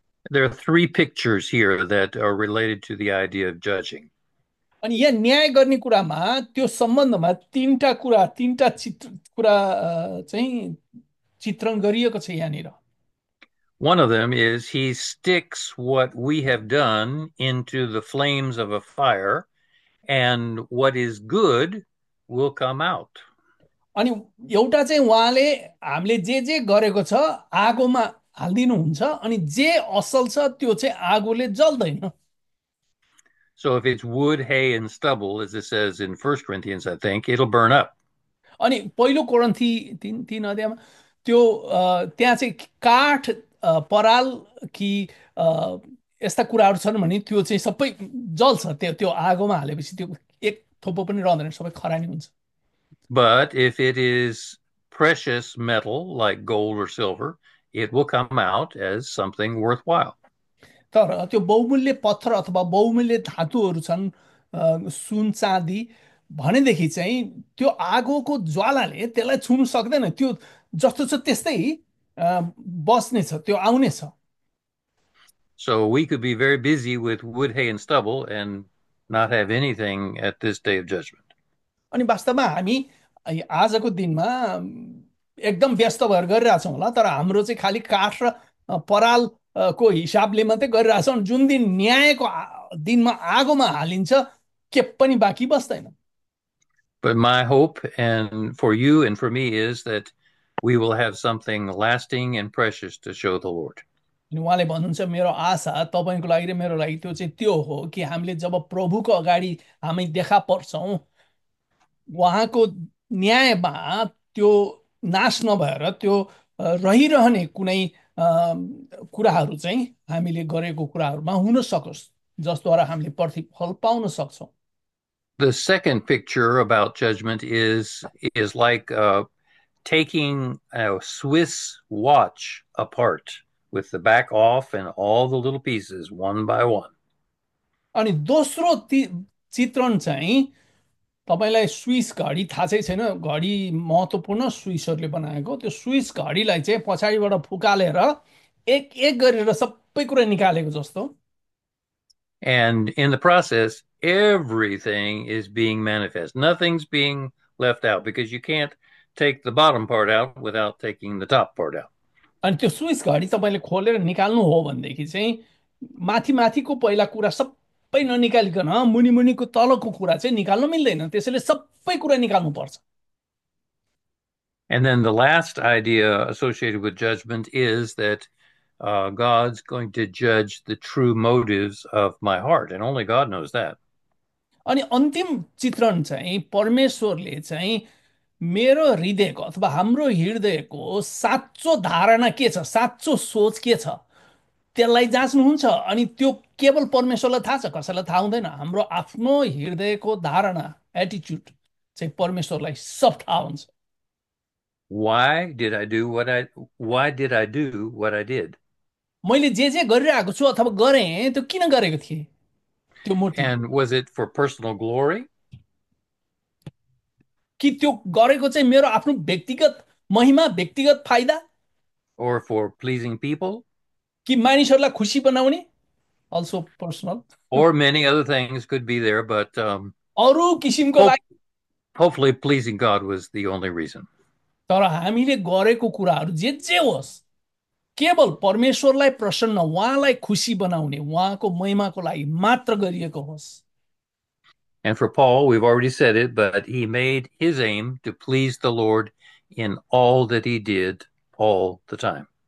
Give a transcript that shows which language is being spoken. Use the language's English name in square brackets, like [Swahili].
[English] There are three pictures here that are related to the idea of judging. [Nepali] अनि यहाँ न्याय गर्ने कुरामा त्यो सम्बन्धमा तिनवटा चित्र कुरा चाहिँ चित्रण गरिएको छ यहाँनिर। [English] One of them is he sticks what we have done into the flames of a fire, and what is good will come out. [Nepali] अनि एउटा चाहिँ उहाँले हामीले जे जे गरेको छ आगोमा हालिदिनुहुन्छ, अनि जे असल छ त्यो चाहिँ आगोले जल्दैन। [English] So if it's wood, hay, and stubble, as it says in 1 Corinthians, I think, it'll burn up. [Nepali] अनि पहिलो कोरन्थी तिन अध्यायमा त्यो त्यहाँ चाहिँ काठ पराल कि यस्ता कुराहरू छन् भने त्यो चाहिँ सबै जल्छ, त्यो आगोमा हालेपछि त्यो एक थोपो पनि रहँदैन, सबै खरानी हुन्छ। [English] But if it is precious metal like gold or silver, it will come out as something worthwhile. [Nepali] तर त्यो बहुमूल्य पत्थर अथवा बहुमूल्य धातुहरू छन् सुन चाँदी भनेदेखि चाहिँ त्यो आगोको ज्वालाले त्यसलाई छुनु सक्दैन, त्यो जस्तो छ त्यस्तै बस्नेछ, त्यो आउनेछ। [English] So we could be very busy with wood, hay, and stubble and not have anything at this day of judgment. [Nepali] अनि वास्तवमा हामी आजको दिनमा एकदम व्यस्त भएर गरिरहेछौँ होला, तर हाम्रो चाहिँ खालि काठ र पराल को हिसाबले मात्रै गरिरहेछौँ। जुन दिन न्यायको दिनमा आगोमा हालिन्छ के पनि बाँकी बस्दैन। [English] But my hope and for you and for me is that we will have something lasting and precious to show the Lord. [Nepali] अनि उहाँले भन्नुहुन्छ मेरो आशा तपाईँको लागि र मेरो लागि त्यो चाहिँ त्यो हो कि हामीले जब प्रभुको अगाडि हामी देखा पर्छौँ उहाँको न्यायमा त्यो नाश नभएर त्यो रहिरहने कुनै कुराहरू चाहिँ हामीले गरेको कुराहरूमा हुन सकोस् जसद्वारा हामीले प्रतिफल पाउन सक्छौँ। [English] The second picture about judgment is like taking a Swiss watch apart with the back off and all the little pieces one by one. [Nepali] अनि दोस्रो चित्रण चाहिँ तपाईँलाई स्विस घडी थाहा चाहिँ छैन, घडी महत्त्वपूर्ण स्विसहरूले बनाएको, त्यो स्विस घडीलाई चाहिँ पछाडिबाट फुकालेर एक एक गरेर सबै कुरा निकालेको जस्तो। [English] And in the process, everything is being manifest. Nothing's being left out because you can't take the bottom part out without taking the top part out. [Nepali] अनि त्यो स्विस घडी तपाईँले खोलेर निकाल्नु हो भनेदेखि चाहिँ माथि माथिको पहिला कुरा सब सबै ननिकालिकन मुनि मुनिको तलको कुरा चाहिँ निकाल्नु मिल्दैन, त्यसैले सबै कुरा निकाल्नु पर्छ। [English] And then the last idea associated with judgment is that God's going to judge the true motives of my heart, and only God knows that. [Nepali] अनि अन्तिम चित्रण चाहिँ परमेश्वरले चाहिँ मेरो हृदयको अथवा हाम्रो हृदयको साँचो धारणा के छ, साँचो सोच के छ त्यसलाई जाँच्नुहुन्छ। अनि त्यो केवल परमेश्वरलाई थाहा छ, कसैलाई थाहा हुँदैन। हाम्रो आफ्नो हृदयको धारणा एटिच्युड चाहिँ परमेश्वरलाई सब थाहा हुन्छ। [English] Why did I do what I did? [Nepali] मैले जे जे गरिरहेको छु अथवा गरेँ त्यो किन गरेको थिएँ, त्यो motive [English] And was it for personal glory? [Nepali] कि त्यो गरेको चाहिँ मेरो आफ्नो व्यक्तिगत महिमा व्यक्तिगत फाइदा [English] Or for pleasing people? [Nepali] कि मानिसहरूलाई खुसी बनाउने, [English] also personal Or many other things could be there, but [Nepali] अरू किसिमको लागि। [English] hopefully pleasing God was the only reason. [Nepali] तर हामीले गरेको कुराहरू जे जे होस् केवल परमेश्वरलाई प्रसन्न उहाँलाई खुसी बनाउने उहाँको महिमाको लागि मात्र गरिएको होस्। [English] And for Paul, we've already said it, but he made his aim to please the Lord in all that he did all the time.